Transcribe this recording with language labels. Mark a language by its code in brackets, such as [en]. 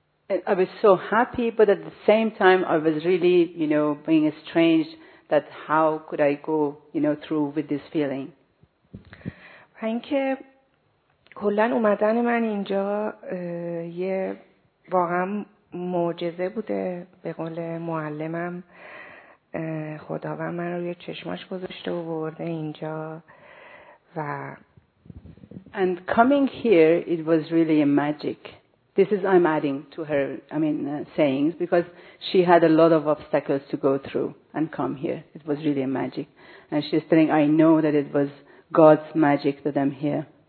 [en] I was so happy but at the same time I was really, you know, being strange that how could I go, you know, through with this feeling. [fa] اینکه کلن اومدن من اینجا یه واقعا معجزه بوده به قول معلمم خداوند من روی چشماش گذاشته و برده اینجا و [en] And coming here it was really a magic This is I'm adding to her, I mean, sayings, because she had a lot of obstacles to go through and come here. It was really a magic. And she's telling, I know that it was God's magic that I'm here.